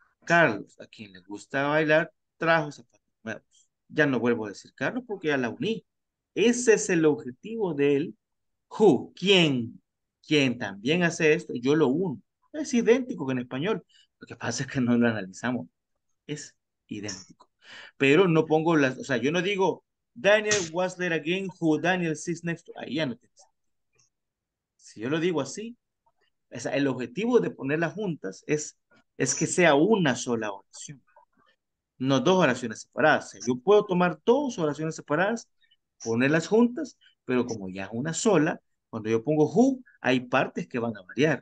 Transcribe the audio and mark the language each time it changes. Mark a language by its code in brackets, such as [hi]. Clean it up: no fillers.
[es] Carlos, a quien le gusta bailar, trajo zapatos nuevos. Ya no vuelvo a decir Carlos porque ya la uní. Ese es el objetivo del who. ¿Quién? ¿Quién también hace esto? Yo lo uno. Es idéntico que en español. Lo que pasa es que no lo analizamos. Es idéntico. Pero no pongo las... O sea, yo no digo [en] Daniel was there again, who Daniel sits next to. [es] Ahí ya no tienes. Si yo lo digo así, el objetivo de ponerlas juntas es que sea una sola oración, no dos oraciones separadas. O sea, yo puedo tomar dos oraciones separadas, ponerlas juntas, pero como ya es una sola, cuando yo pongo who, hay partes que van a variar.